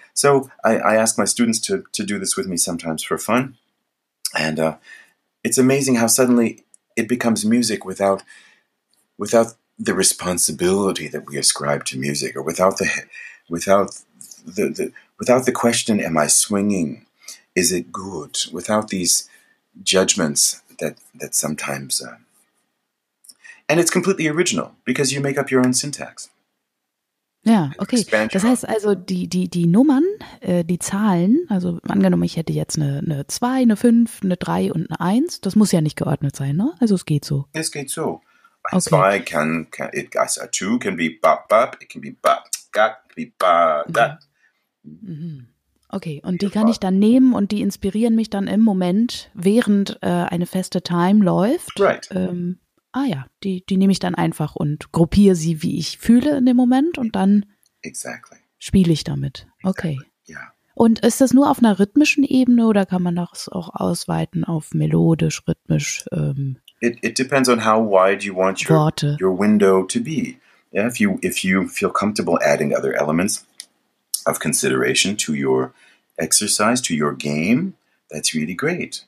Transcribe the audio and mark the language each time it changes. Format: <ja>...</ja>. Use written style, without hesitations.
<en>So I ask my students to do this with me sometimes for fun, and it's amazing how suddenly it becomes music without the responsibility that we ascribe to music, or without the question, am I swinging? Is it good? Without these judgments that sometimes, and it's completely original because you make up your own syntax.</en> <de>Ja, okay. Das heißt also, die Nummern, die Zahlen, also angenommen, ich hätte jetzt eine 2, eine 5, eine 3 und eine 1, das muss ja nicht geordnet sein, ne? Also es geht so. Es geht so. Ein 2 kann, also</de> <en>a 2 can be bop, bop, it can be bop, gack, be ba, da.</en> <de>Okay, und die kann ich dann nehmen und die inspirieren mich dann im Moment, während eine feste Time läuft.</de> <en>Right.</en> <de>Die nehme ich dann einfach und gruppiere sie, wie ich fühle in dem Moment, und dann</de> <en>exactly.</en> <de>spiele ich damit. Okay.</de> <en>Exactly. Yeah.</en> <de>Und ist das nur auf einer rhythmischen Ebene oder kann man das auch ausweiten auf melodisch, rhythmisch?</de> <en>It depends on how wide you want your window to be. Yeah, if you feel comfortable adding other elements of consideration to your exercise, to your game, that's really great.</en>